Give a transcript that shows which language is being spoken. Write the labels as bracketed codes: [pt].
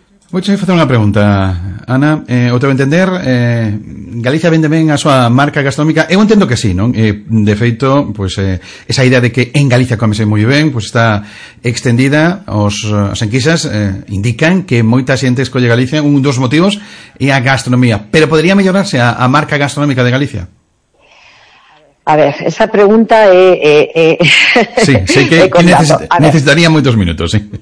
[es] Voy a hacer una pregunta, Ana. Otro entender, Galicia vende bien a su marca gastronómica. Yo entiendo que sí, ¿no? [gl] De feito, pues, esa idea de que en Galicia comese muy bien, pues está extendida. Os enquisas, indican que moita xente escolle Galicia. Un dos motivos é a gastronomía. Pero podría mellorarse a marca gastronómica de Galicia? A ver, esa pregunta é... Sí, sé que necesitaría moitos minutos, sí.